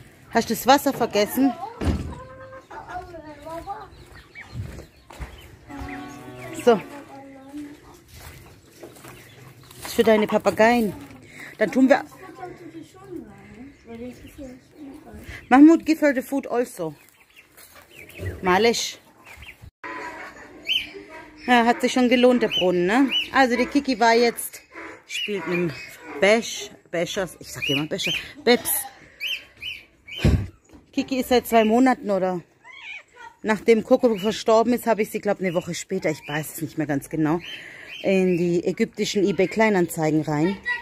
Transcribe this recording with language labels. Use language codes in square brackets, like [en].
[de] Hast du das Wasser vergessen? So. Das ist für deine Papageien. Dann tun wir... [en] Mahmoud, give her the food also. [ar] Malisch. [de] Ja, hat sich schon gelohnt, der Brunnen, ne? Also, die Kiki war jetzt... Spielt mit dem Besch... Beschers, ich sag immer Bescher. Beps. Kiki ist seit 2 Monaten, oder? nachdem Coco verstorben ist, habe ich sie, glaube ich, eine Woche später, ich weiß es nicht mehr ganz genau, in die ägyptischen eBay-Kleinanzeigen rein.